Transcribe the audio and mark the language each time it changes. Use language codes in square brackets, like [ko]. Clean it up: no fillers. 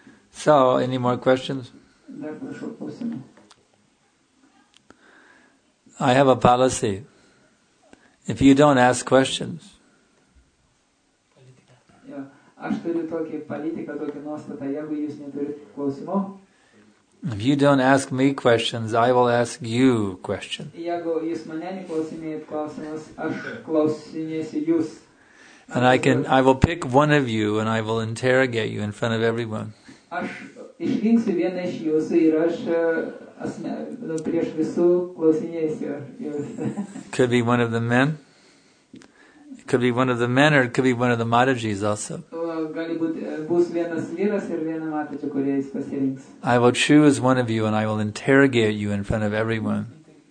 [en] So, any more questions? [lt] Dar prašau klausimų. [en] I have a policy. If you don't ask questions. Yeah. [lt] Aš turiu tokį politiką, tokį nuostatą, jeigu jūs neturite klausimų. [en] If you don't ask me questions, I will ask you questions. [lt] Jeigu jūs mane neklausinėjat klausimus, aš klausinėsiu jūs. [en] And I will pick one of you and I will interrogate you in front of everyone. [lt] Aš išrinksiu vieną iš jūsų ir aš prieš visų klausinėsiu jūs. [en] Could be one of the men. It could be one of the men or it could be one of the Matajis also. I will choose one of you and I will interrogate you in front of everyone.